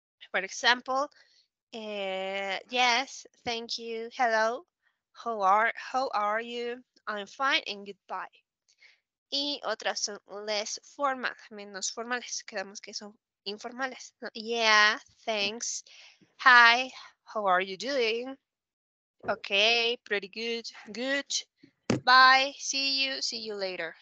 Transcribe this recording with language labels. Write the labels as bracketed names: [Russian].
[English] For example, yes, thank you, hello, how are you, I'm fine, and goodbye. [Spanish] Y otras son [English] less formal, [Spanish] menos formales, quedamos que son informales. [English] Yeah, thanks, hi, how are you doing? Okay, pretty good, good, bye, see you later.